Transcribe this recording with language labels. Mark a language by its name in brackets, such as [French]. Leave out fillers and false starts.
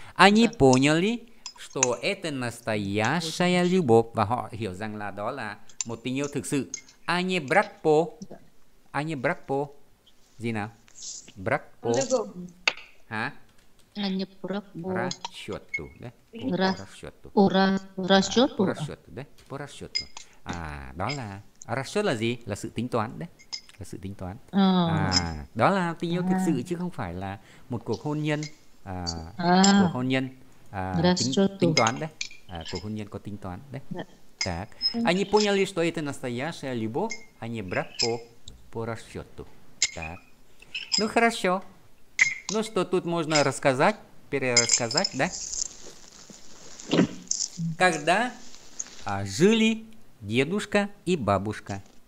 [Russian] Они поняли, что это настоящая любовь. [Vietnamese] Và họ hiểu rằng là đó là một tình yêu thực sự. [Russian] Они брак по. Они брак по. [Vietnamese] Gì nào? [Russian] Брак по. [Vietnamese] Hả? [Russian] Они брак по. Расчету. Расчету. Расчету. Расчету. По расчету. [Vietnamese] Đó là, расчет là gì? Là sự tính toán đấy. Sự tính toán. Đó là tình yêu thực sự chứ không phải là một cuộc hôn nhân. Cuộc hôn nhân tính toán đấy. Cuộc hôn nhân có tính toán đấy. [Russian] Так. Они поняли, что это настоящая любовь, а не брак по расчету. Так. Ну хорошо. Ну что тут можно рассказать, перерассказать, да? Когда жили дедушка и бабушка?